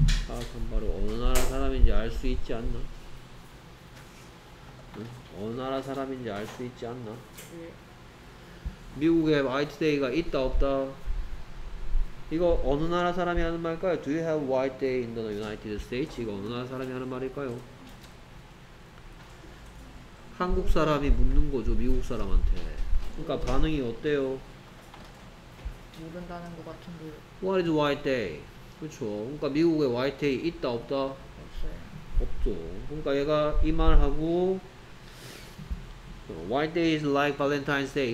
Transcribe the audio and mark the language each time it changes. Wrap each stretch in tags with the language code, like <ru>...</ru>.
<ko>아, 참 바로 어느 나라 사람인지 알 수 있지 않나? 어느 나라 사람인지 알 수 있지 않나? 미국에 White Day가 있다 없다? 이거 어느 나라 사람이 하는 말일까요?</ko> <en>Do you have White Day in the United States?</en> <ko>이거 어느 나라 사람이 하는 말일까요? 한국 사람이 묻는 거죠, 미국 사람한테. 그러니까 반응이 어때요? 모른다는 것 같은데.</ko> <en>What is White Day?</en> <ko>그렇죠. 그러니까 미국에 White Day 있다 없다? 없죠. 그러니까 얘가 이 말하고</ko> <en>White Day is like Valentine's Day.</en>